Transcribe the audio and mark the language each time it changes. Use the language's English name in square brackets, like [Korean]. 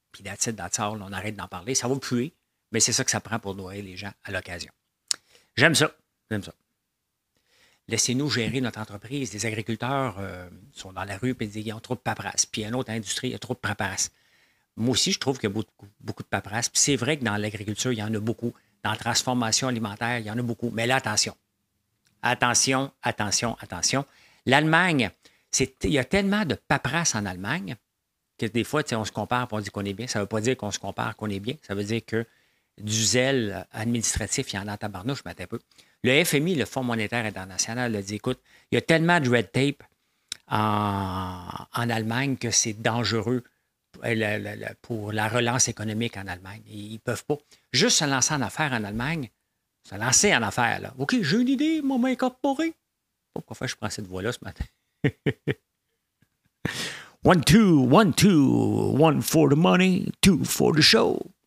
[French] Puis d'attitude, d'attitude, on arrête d'en parler. Ça va puer, mais c'est ça que ça prend pour noyer les gens à l'occasion. J'aime ça. J'aime ça. Laissez-nous gérer notre entreprise. Les agriculteurs sont dans la rue et disent qu'ils ont trop de paperasse. Puis une autre industrie, il y a trop de paperasse. Moi aussi, je trouve qu'il y a beaucoup de paperasse. Puis c'est vrai que dans l'agriculture, il y en a beaucoup. Dans la transformation alimentaire, il y en a beaucoup. Mais là, attention. Attention, attention, attention. L'Allemagne, il y a tellement de paperasse en Allemagne que des fois, on se compare et on dit qu'on est bien. Ça ne veut pas dire qu'on se compare, qu'on est bien. Ça veut dire que du zèle administratif, il y en a en tabarnouche, je m'attends un peu. Le FMI, le Fonds monétaire international, a dit, écoute, il y a tellement de [English] red tape [French] en Allemagne que c'est dangereux pour la relance économique en Allemagne. Ils ne peuvent pas. Juste se lancer en affaires en Allemagne, se lancer en affaires, là. OK, j'ai une idée, moi, m'a incorporé. Pourquoi je prends cette voie-là ce matin? [English] 1-2, 1-2, 1 for the money, 2 for the show.